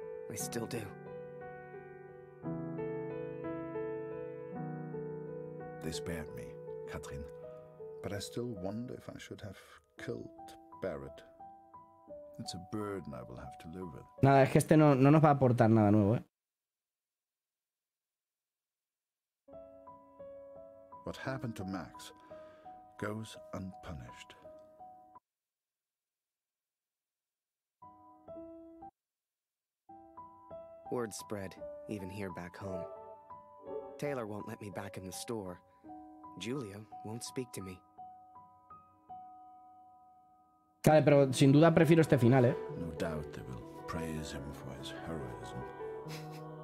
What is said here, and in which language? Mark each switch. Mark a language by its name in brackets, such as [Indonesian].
[English] I still do. They spared me, Katrin. But I still wonder if I should have killed Barrett. It's a burden I will have to live with. [Spanish] Nada, es que este no nos va a aportar nada nuevo, ¿eh? [English] What happened to Max goes unpunished. Word spread, even here back home. Taylor won't let me back in the store. Julia won't speak to me. [Spanish] Claro, pero sin duda prefiero este final, ¿eh? [English] No doubt they will praise him for his heroism.